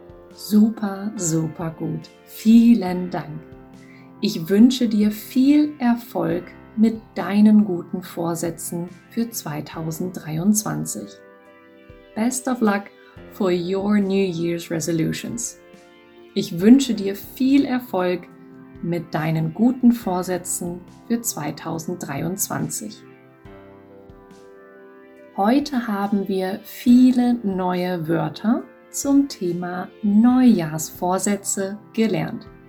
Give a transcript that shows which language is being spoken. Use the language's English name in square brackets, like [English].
[German] Super, super gut. Vielen Dank. Ich wünsche dir viel Erfolg mit deinen guten Vorsätzen für 2023. [English] Best of luck for your New Year's resolutions. [German] Ich wünsche dir viel Erfolg mit deinen guten Vorsätzen für 2023. Heute haben wir viele neue Wörter zum Thema Neujahrsvorsätze gelernt.